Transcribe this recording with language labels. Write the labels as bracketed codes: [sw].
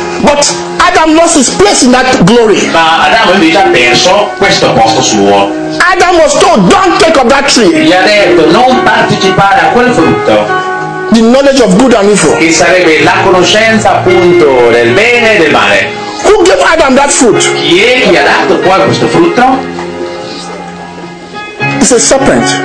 [en] But Adam lost his place in that glory. [it] Ma Adamo invece ha perso questo posto suo. [en] Adam was told, don't take of that tree. [it] Gli ha detto non partecipare a quel frutto. [en] The knowledge of good and evil. [it] Che sarebbe la conoscenza appunto del bene e del male. [en] Who gave Adam that fruit? [it] Chi ha dato qua questo frutto? [en] It's a serpent.